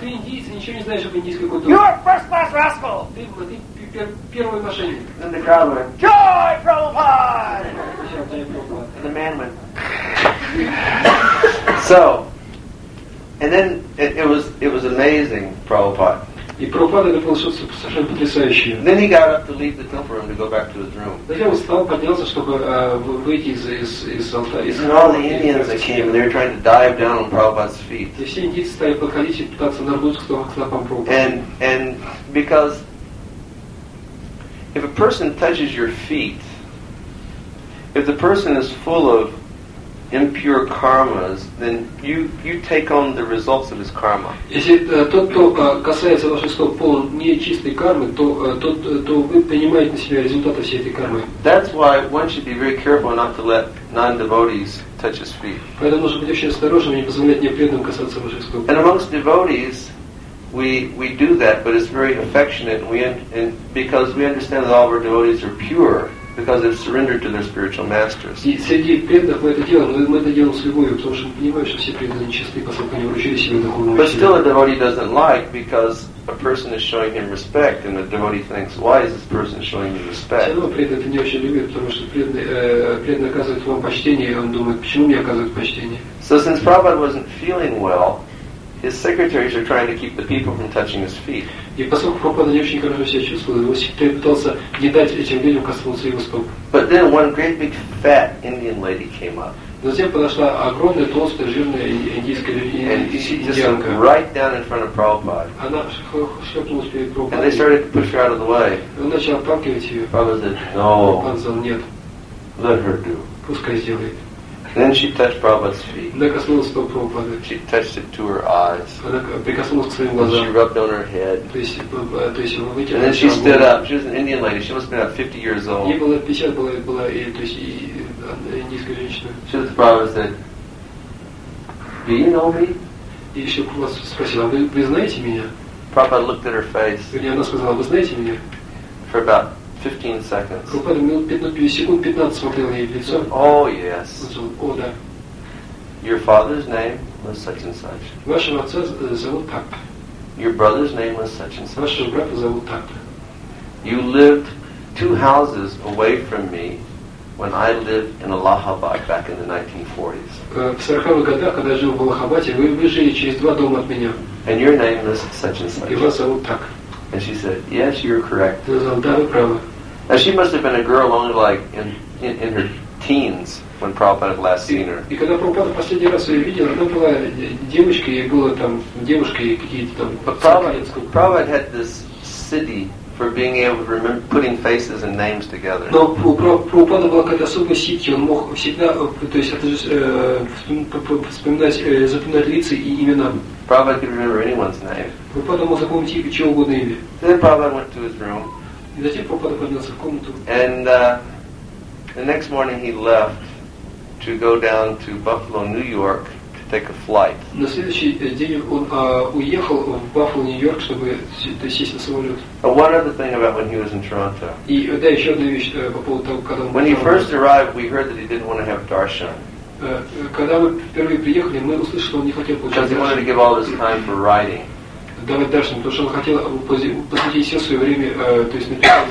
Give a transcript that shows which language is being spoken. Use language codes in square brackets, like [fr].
[en] You're a first class rascal. And then the crowd went, joy Prabhupada! And the man went, so, and then it was amazing, Prabhupada. [ru] И Прабхупада это было что-то совершенно потрясающее. [en] Then he got up to leave the temple room to go back to his room. [ru] Затем он встал, поднялся, чтобы выйти из алтаря. [en] And all the Indians that came, they were trying to dive down on Prabhupada's feet. [ru] И все индийцы стали подходить и пытаться нырнуть к стопам Прабхупады. [en] And because if a person touches your feet, if the person is full of impure karmas, then you take on the results of his karma. [ru] Если тот, кто касается ваших стоп, полон нечистой кармы, то вы принимаете на себя результаты всей этой кармы. [en] That's why one should be very careful not to let non-devotees touch his feet. [ru] Поэтому нужно быть очень осторожным и не позволять непреданным касаться ваших стоп. [en] And amongst devotees, we do that, but it's very affectionate. And because we understand that all of our devotees are pure. Because they've surrendered to their spiritual masters. [ru] И среди преданных мы это делаем, но мы это делаем с любовью, потому что мы понимаем, что все преданные чистые, поскольку они вручили себе духовную силу. [en] But still, a devotee doesn't like because a person is showing him respect, and the devotee thinks, why is this person showing me respect? [ru] Все равно преданные это не очень любят, потому что преданные оказывают вам почтение, и он думает, почему мне оказывают почтение? [en] So since Prabhupada wasn't feeling well, his secretaries are trying to keep the people from touching his feet. [ru] И поскольку Прабхупада не очень хорошо себя чувствовал, он всегда пытался не дать этим людям коснуться его стоп. [en] But then one great big fat Indian lady came up. [ru] Затем подошла огромная толстая жирная индийская женщина. [en] And she just right down in front of Prabhupada. [ru] Она шлепнулась перед Прабхупадой. [en] And they started to push her out of the way. [ru] Он начал отталкивать ее. [en] Prabhupada said, no. [ru] Он сказал, нет. [en] Let her do. [ru] Пускай сделает. [en] Then she touched Prabhupada's feet. [ru] Она коснулась стоп Прабхупады. [en] She touched it to her eyes. [ru] Она прикоснулась к своим глазам. [en] She rubbed on her head. [ru] То есть, [en] and then she stood up. She was an Indian lady. She must have been about 50 years old. [ru] Ей было 50, была, была и, то есть, и индийская женщина. [en] She Prabhupada said, do you know me? [ru] И еще вас спросила, вы знаете меня? [en] Prabhupada looked at her face. [ru] И она сказала, вы знаете меня? [en] For about 15 seconds. [ru] Прабхупада секунд 15 смотрел ей в лицо. [en] Oh, yes. [ru] Он сказал, о, да. [en] Your father's name was such and such. [ru] Вашего отца зовут так. [en] Your brother's name was such and such. [ru] Вашего брата зовут так. [en] You lived two houses away from me when I lived in Allahabad back in the 1940s. [ru] В 40-х годах, когда я жил в Аллахабаде, вы жили через два дома от меня. [en] And your name was such and such. [ru] И вас зовут так. [en] And she said, yes, you're correct. [ru] Сказал, да, вы правы. [en] And she must have been a girl only like in her teens when Prabhupada had last seen her. [ru] И когда Прабхупада последний раз ее видел, она была девочкой, ей было там девушки какие-то там. [en] But Prabhupada had this city for being able to remember putting faces and names together. [ru] Но у Прабхупада была какая-то особая сеть, он мог всегда, то есть это вспоминать, запоминать лица и имена. [en] Prabhupada could remember anyone's name. [ru] Прабхупада мог запомнить имя чего угодно имя. [en] Then Prabhupada went to his room. [ru] И затем Прабхупада поднялся в комнату. [en] And the next morning he left to go down to Buffalo, New York to take a flight. [ru] На следующий день он уехал в Buffalo, New York, чтобы сесть на самолет. [en] One other thing about when he was in Toronto. [ru] И да, еще одна вещь по поводу того, когда он. [en] When he first arrived, we heard that he didn't want to have darshan. [ru] Когда мы впервые приехали, мы услышали, что он не хотел получать [en] darshan. Because he wanted to give all his time for writing. [ru] Давать darshan, потому что он хотел посвятить все свое время, то есть написать.